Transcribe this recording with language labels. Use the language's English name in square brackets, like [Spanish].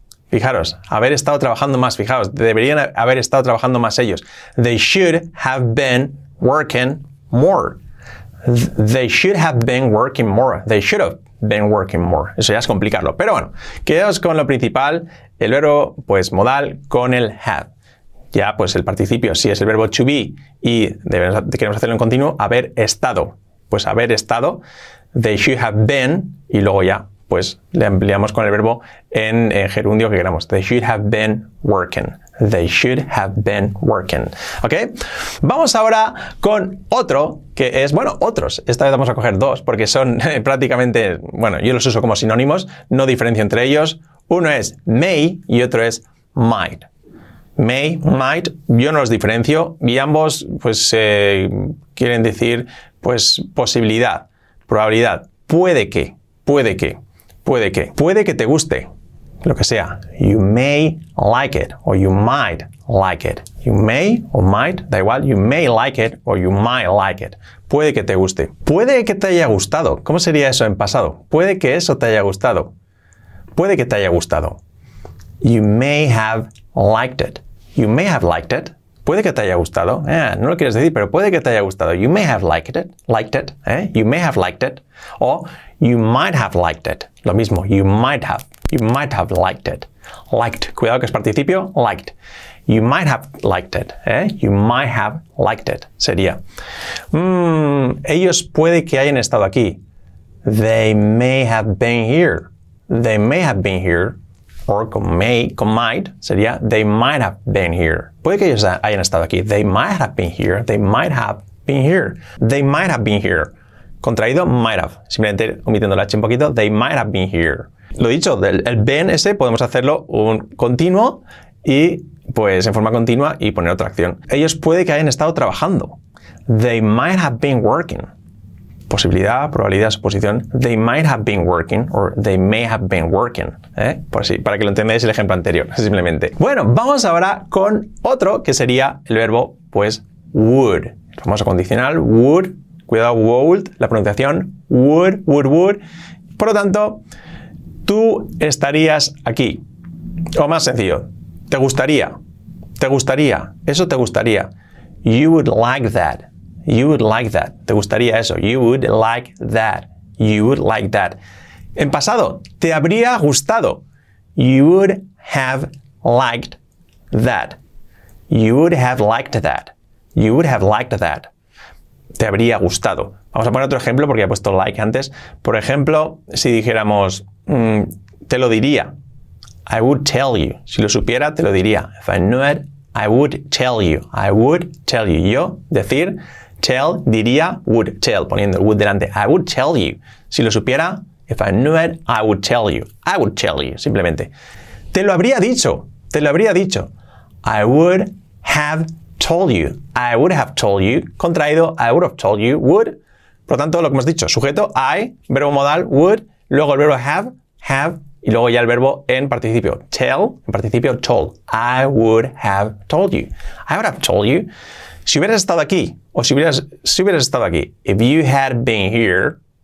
[Spanish] Fijaros, haber estado trabajando más, fijaos, deberían haber estado trabajando más ellos. [English] They should have been working more. They should have been working more. They should have been working more. [Spanish] Eso ya es complicarlo. Pero bueno, quedaos con lo principal, el verbo pues modal con el have. Ya pues el participio, si es el verbo to be y queremos hacerlo en continuo, haber estado. Pues haber estado, [English] they should have been, [Spanish] y luego ya. Pues le ampliamos con el verbo en gerundio que queramos. [English] They should have been working. They should have been working. ¿Ok? [Spanish] Vamos ahora con otro que es, bueno, otros. Esta vez vamos a coger dos porque son prácticamente, bueno, yo los uso como sinónimos. No diferencio entre ellos. Uno es may y otro es might. May, might, yo no los diferencio. Y ambos, pues, quieren decir, pues, posibilidad, probabilidad. Puede que, puede que. Puede que. Puede que te guste. Lo que sea. [English] You may like it. Or you might like it. You may or might. [Spanish] Da igual. [English] You may like it. Or you might like it. [Spanish] Puede que te guste. Puede que te haya gustado. ¿Cómo sería eso en pasado? Puede que eso te haya gustado. Puede que te haya gustado. [English] You may have liked it. [Spanish] You may have liked it. Puede que te haya gustado. No lo quieres decir, pero puede que te haya gustado. [English] You may have liked it. Liked it. You may have liked it. O you might have liked it. [Spanish] Lo mismo. [English] You might have. You might have liked it. Liked. [Spanish] Cuidado que es participio. [English] Liked. You might have liked it. You might have liked it. Sería. [Spanish] Ellos puede que hayan estado aquí. [English] They may have been here. They may have been here. Or [Spanish] con might sería [English] they might have been here. [Spanish] Puede que ellos hayan estado aquí. [English] They might have been here. They might have been here. They might have been here. [Spanish] Contraído might have. Simplemente omitiendo la H un poquito. [English] They might have been here. [Spanish] Lo dicho, el been ese podemos hacerlo un continuo y pues en forma continua y poner otra acción. Ellos puede que hayan estado trabajando. [English] They might have been working. [Spanish] Posibilidad, probabilidad, suposición. [English] They might have been working or they may have been working. [Spanish] Pues sí, para que lo entendáis el ejemplo anterior, simplemente. Bueno, vamos ahora con otro que sería el verbo, pues, would. El famoso condicional, would. Cuidado, would, la pronunciación, would, would, would. Por lo tanto, tú estarías aquí. O más sencillo, te gustaría. Te gustaría, eso te gustaría. [English] You would like that. You would like that. [Spanish] Te gustaría eso. [English] You would like that. You would like that. [Spanish] En pasado, te habría gustado. [English] You would have liked that. You would have liked that. You would have liked that. [Spanish] Te habría gustado. Vamos a poner otro ejemplo porque he puesto like antes. Por ejemplo, si dijéramos, te lo diría. [English] I would tell you. [Spanish] Si lo supiera, te lo diría. [English] If I knew it, I would tell you. I would tell you. [Spanish] Yo, decir, tell, diría, would, tell, poniendo el would delante. [English] I would tell you. [Spanish] Si lo supiera, [English] if I knew it, I would tell you. I would tell you, simplemente. [Spanish] Te lo habría dicho. Te lo habría dicho. [English] I would have told you. I would have told you. Contraído, I would have told you, would. [Spanish] Por lo tanto, lo que hemos dicho, sujeto, I, verbo modal, would, luego el verbo have, have, y luego ya el verbo en participio. [English] Tell, [Spanish] en participio, [English] told. I would have told you. I would have told you. [Spanish] Si hubieras estado aquí, o si hubieras estado aquí, [English] if you had been here,